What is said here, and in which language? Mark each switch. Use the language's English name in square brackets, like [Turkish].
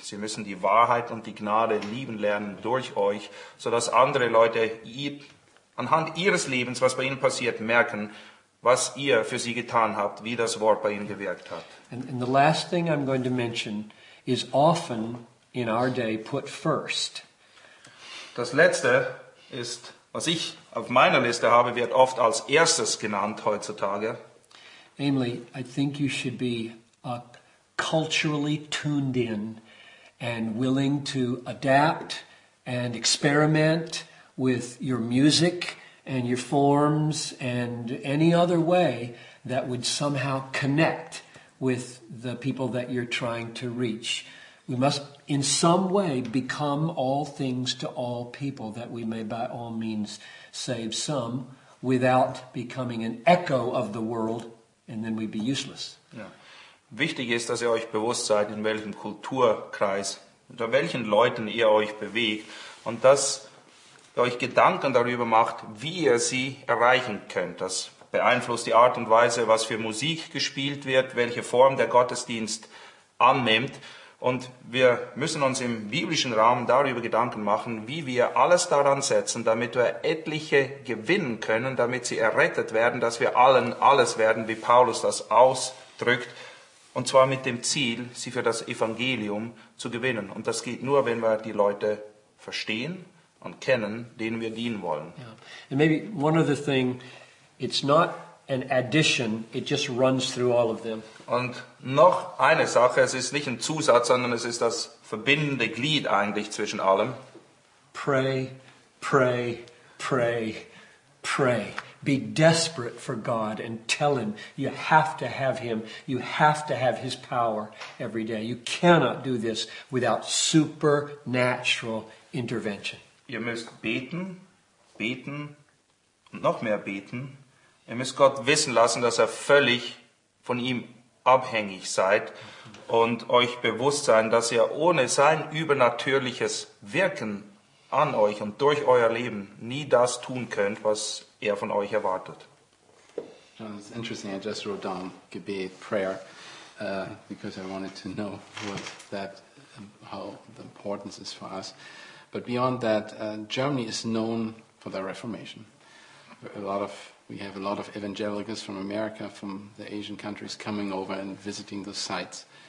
[German] Sie müssen die Wahrheit und die Gnade lieben lernen durch euch, sodass andere Leute anhand ihres Lebens, was bei ihnen passiert, merken, was ihr für sie getan habt, wie das Wort bei ihnen gewirkt hat. [English] And the last thing I'm going to mention is often in our day put first. [German] Das letzte ist, was ich auf meiner Liste habe, wird oft als erstes genannt heutzutage. [English] Namely, I think you should be culturally tuned in and willing to adapt and experiment with your music and your forms and any other way that would somehow connect with the people that you're trying to reach. We must in some way become all things to all people, that we may by all means save some without becoming an echo of the world, and then we'd be useless. [German] Ja. Wichtig ist, dass ihr euch bewusst seid, in welchem Kulturkreis, unter welchen Leuten ihr euch bewegt, und dass euch Gedanken darüber macht, wie ihr sie erreichen könnt. Das beeinflusst die Art und Weise, was für Musik gespielt wird, welche Form der Gottesdienst annimmt. Und wir müssen uns im biblischen Rahmen darüber Gedanken machen, wie wir alles daran setzen, damit wir etliche gewinnen können, damit sie errettet werden, dass wir allen alles werden, wie Paulus das ausdrückt. Und zwar mit dem Ziel, sie für das Evangelium zu gewinnen. Und das geht nur, wenn wir die Leute verstehen und kennen, denen wir dienen wollen. [English] Yeah. And maybe one other thing, it's not an addition, it just runs through all of them. [German] Und noch eine Sache, es ist nicht ein Zusatz, sondern es ist das verbindende Glied eigentlich zwischen allem. [English] Pray, pray, pray, pray. be desperate for God and tell him you have to have him. You have to have his power every day. You cannot do this without supernatural intervention. [German] Ihr müsst beten, beten und noch mehr beten. Ihr müsst Gott wissen lassen, dass völlig von ihm abhängig seid und euch bewusst sein, dass ohne sein übernatürliches Wirken an euch und durch euer Leben nie das tun könnt, was von euch erwartet. [English] It's interesting, I just wrote down Gebet, prayer, because I wanted to know what that, how the importance is for us. But beyond that, Germany is known for the Reformation. We have a lot of evangelicals from America, from the Asian countries coming over and visiting the sites.